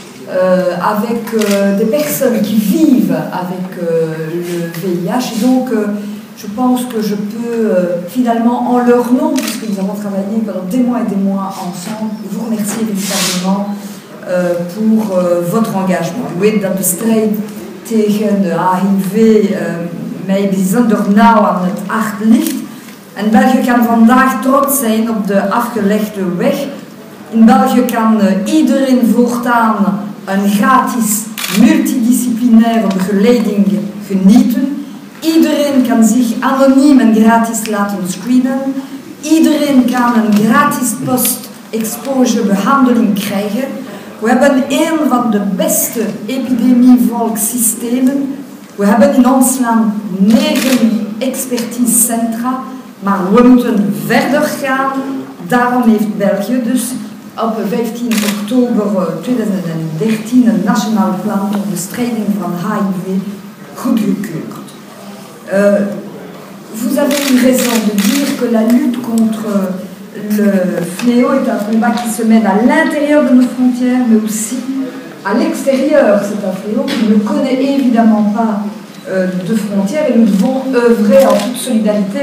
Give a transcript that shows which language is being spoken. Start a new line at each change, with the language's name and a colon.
French: Avec des personnes qui vivent avec le VIH. Et donc, je pense que je peux finalement, en leur nom, puisque nous avons travaillé pendant des mois et des mois ensemble, vous remercier véritablement pour votre engagement. Oui, dans le strait,
Dutch: tegen de HIV, mais bijzonder nauw aan het hart ligt. En België kan vandaag trots zijn op de afgelegde weg. In België kan iedereen voortaan een gratis multidisciplinaire begeleiding genieten. Iedereen kan zich anoniem en gratis laten screenen. Iedereen kan een gratis post-exposure behandeling krijgen. We hebben een van de beste epidemievolksystemen. We hebben in ons land 9 expertisecentra. Maar we moeten verder gaan. Daarom heeft België dus op 15 oktober 2013 een nationaal plan ter bestrijding van HIV goedgekeurd.
French: Vous avez une raison de dire que la lutte contre le fléau est un combat qui se mène à l'intérieur de nos frontières, mais aussi à l'extérieur, c'est un fléau qui ne connaît évidemment pas de frontières, et nous devons œuvrer en toute solidarité.